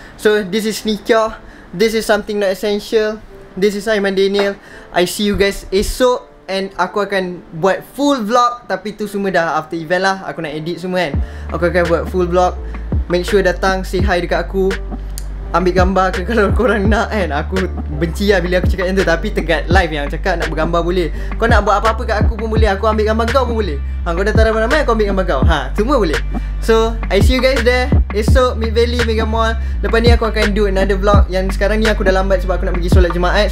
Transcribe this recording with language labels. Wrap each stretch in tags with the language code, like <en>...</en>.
<en>So this is sneaker, this is something not essential. This is Aiman Daniel, I see you guys esok.</en> <ms>And aku akan buat full vlog, tapi tu semua dah</ms> <en>after event</en> <ms>lah. Aku nak edit semua kan, aku akan buat full vlog.</ms> <en>Make sure</en> <ms>datang, say hi dekat aku, ambil gambar ke kalau korang nak kan. Aku benci lah bila aku cakap macam tu, tapi tegat live yang cakap nak bergambar boleh. Kau nak buat apa-apa kat aku pun boleh, aku ambil gambar kau pun boleh. Ha, kau datang ramai-ramai, aku ambil gambar kau. Ha, semua boleh.</ms> <en>So I see you guys there esok, Mid Valley Mega Mall.</en> <ms>Lepas ni aku akan</ms> <en>do another vlog.</en> <ms>Yang sekarang ni aku dah lambat sebab aku nak pergi solat Jumaat.</ms>